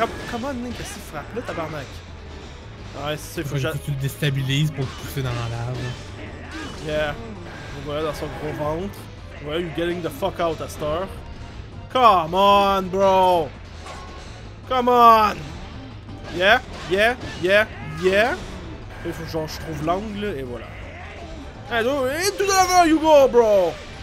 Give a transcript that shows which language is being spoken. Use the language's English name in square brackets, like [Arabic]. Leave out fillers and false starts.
[English] Come on, [French] Link, qu'est-ce qu'il frappe là, tabarnak? Ouais, c'est faut que tu le déstabilises pour le pousser dans la lave. [English] Yeah. [French] Ouais, dans son gros ventre. [English] Ouais, you're getting the fuck out, Astor. Come on, bro! Come on! Yeah. [French] Et faut que genre, je trouve l'angle, et voilà. [English] Hey, into the lava you go, bro!